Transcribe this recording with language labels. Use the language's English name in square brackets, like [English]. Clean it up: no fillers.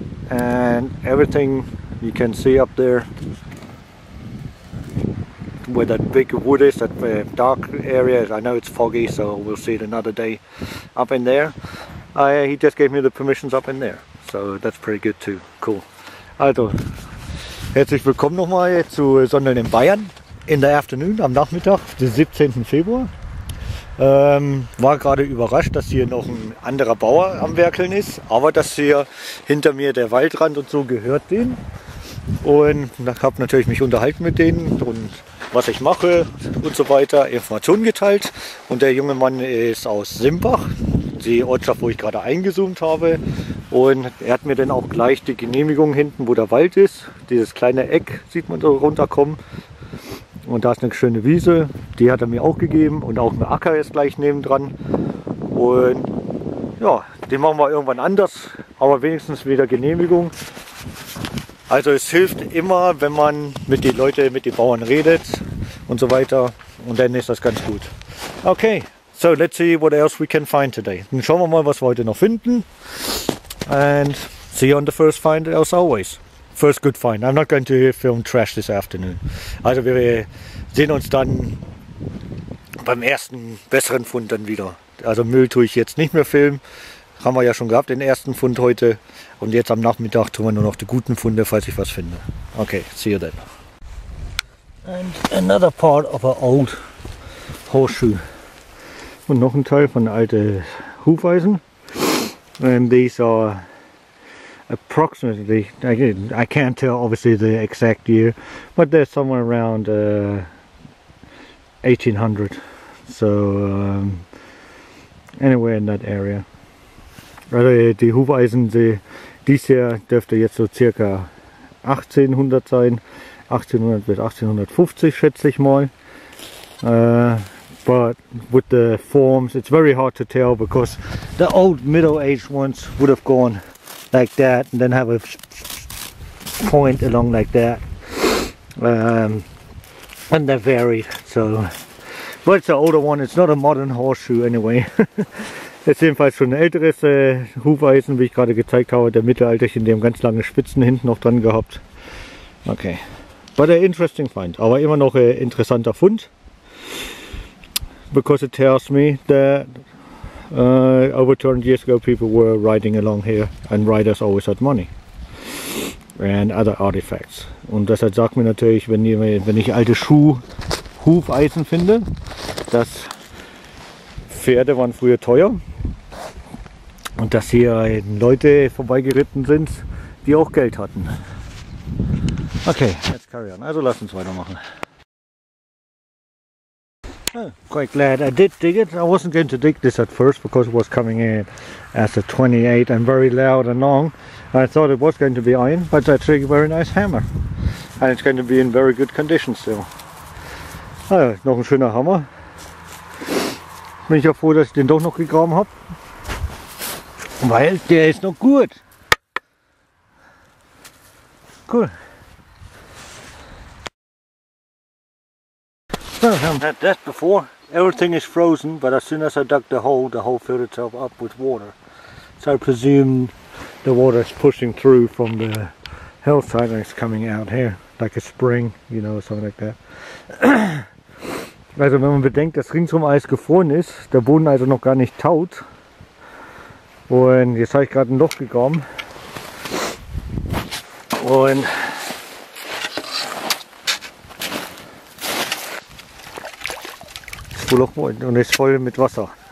[English] And everything you can see up there, where that big wood is, that dark area. I know it's foggy, so we'll see it another day up in there. He just gave me the permissions up in there. So that's pretty good too. Cool. [German] Also, herzlich willkommen nochmal zu Sondern in Bayern in der Afternoon, am Nachmittag, den 17. Februar. War gerade überrascht, dass hier noch ein anderer Bauer am Werkeln ist, aber dass hier hinter mir der Waldrand und so gehört denen. Und da habe ich natürlich mich unterhalten mit denen und was ich mache und so weiter, Informationen geteilt. Und der junge Mann ist aus Simbach, die Ortschaft, wo ich gerade eingezoomt habe. Und er hat mir dann auch gleich die Genehmigung hinten, wo der Wald ist. Dieses kleine Eck sieht man so runterkommen. Und da ist eine schöne Wiese, die hat er mir auch gegeben. Und auch ein Acker ist gleich nebendran. Und ja, den machen wir irgendwann anders, aber wenigstens wieder Genehmigung. Also es hilft immer, wenn man mit den Leuten, mit den Bauern redet und so weiter. Und dann ist das ganz gut. [English] Okay, so let's see what else we can find today. [German] Dann schauen wir mal, was wir heute noch finden. [English] And see you on the first find, as always. First good find. I'm not going to film trash this afternoon. [German] Also wir sehen uns dann beim ersten besseren Fund dann wieder. Also Müll tue ich jetzt nicht mehr filmen. Haben wir ja schon gehabt, den ersten Fund heute. Und jetzt am Nachmittag tun wir nur noch die guten Funde, falls ich was finde. [English] Okay, see you then. And another part of an old horseshoe. [German] Und noch ein Teil von alten Hufeisen. [English] And these are approximately, I can't tell obviously the exact year, but they're somewhere around 1800. So, anywhere in that area. [German] Also die Hufeisen, dies Jahr dürfte jetzt so circa 1800 sein, 1800 bis 1850 schätze ich mal. [English] But with the forms, it's very hard to tell because the old middle-aged ones would have gone like that and then have a point along like that. And they're varied, so. But it's an older one, it's not a modern horseshoe anyway. [German] Es ist jedenfalls schon ein älteres Hufeisen, wie ich gerade gezeigt habe, der Mittelalterchen, die haben ganz lange Spitzen hinten noch dran gehabt. [English] Okay, but an interesting find, [German] aber immer noch ein interessanter Fund. [English] Because it tells me that over 200 years ago people were riding along here and riders always had money. And other artifacts. [German] Und deshalb sagt mir natürlich, wenn ich alte Hufeisen finde, dass Pferde waren früher teuer. Und dass hier Leute vorbeigeritten sind, die auch Geld hatten. [English] Okay, let's carry on. [German] Also lass uns weitermachen. [English] Quite glad I did dig it. I wasn't going to dig this at first because it was coming in as a 28 and very loud and long. I thought it was going to be iron, but it's actually a very nice hammer. And it's going to be in very good condition still. [German] Ah, noch ein schöner Hammer. Bin ich ja froh, dass ich den doch noch gegraben habe. Weil der ist noch gut. [English] Cool. I've had that before. Everything is frozen, but as soon as I dug the hole filled itself up with water. So I presume the water is pushing through from the hillside and it's coming out here, like a spring, you know, something like that. [German] Also wenn man bedenkt, dass ringsum alles gefroren ist, der Boden also noch gar nicht taut. Und jetzt habe ich gerade ein Loch gekommen. Und das Loch ist voll mit Wasser.